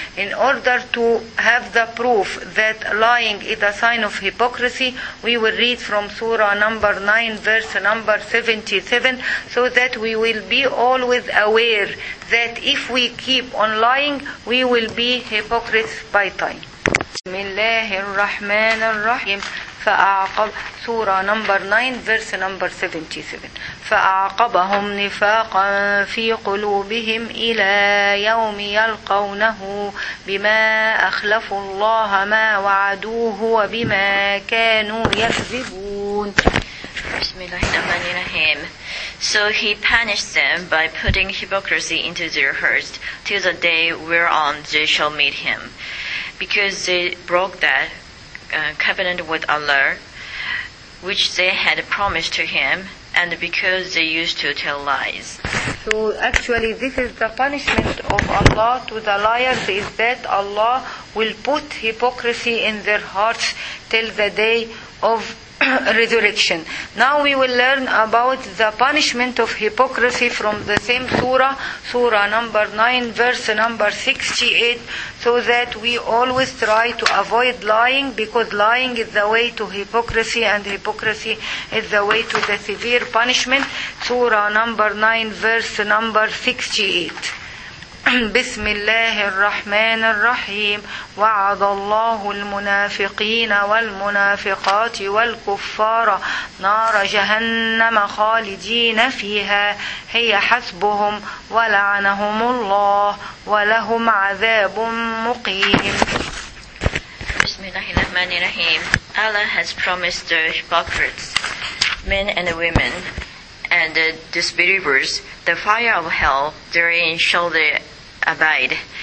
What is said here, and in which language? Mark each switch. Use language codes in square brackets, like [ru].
[en] In order to have the proof that lying is a sign of hypocrisy, we will read from Surah number 9, verse number 77, so that we will be always aware that if we keep on lying, we will be hypocrites by time. [ar] بسم الله الرحمن الرحيم فأعقب سورة نمبر 9 [en] verse number 77 [ar] فأعقبهم نفاقا في قلوبهم إلى يوم يلقونه بما أخلفوا الله ما وعدوه وبما كانوا يكذبون. بسم الله الرحمن الرحيم. [en] So he punished them by putting hypocrisy into their hearts till the day whereon they shall meet him, because they broke that covenant with Allah, which they had promised to him, and because they used to tell lies. So actually, this is the punishment of Allah to the liars, is that Allah will put hypocrisy in their hearts till the day of resurrection. Now we will learn about the punishment of hypocrisy from the same surah, surah number 9, verse number 68, so that we always try to avoid lying, because lying is the way to hypocrisy, and hypocrisy is the way to the severe punishment. Surah number 9, verse number 68. [ar] بسم الله الرحمن الرحيم وعد الله المنافقين والمنافقات والكفار نار جهنم خالدين فيها هي حسبهم ولعنهم الله ولهم عذاب مقيم. بسم الله الرحمن الرحيم. [en] Allah has promised the hypocrites, men and women, and the disbelievers, the fire of hell. Therein shall they abide.